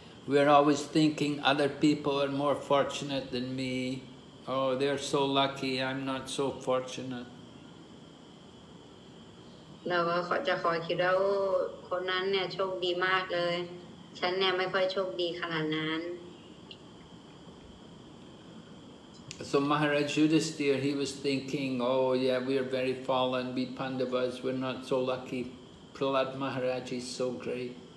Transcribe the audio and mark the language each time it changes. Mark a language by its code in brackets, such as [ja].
[en] We're always thinking other people are more fortunate than me. Oh, they're so lucky, I'm not so fortunate. [th] เราก็จะคอยคิดว่าคนนั้นเนี่ยโชคดีมากเลยฉันเนี่ยไม่ค่อยโชคดีขนาดนั้น [en] So Maharaj Yudhisthira he was thinking oh yeah we are very fallen we Pandavas we're not so lucky Prahlad Maharaj is so great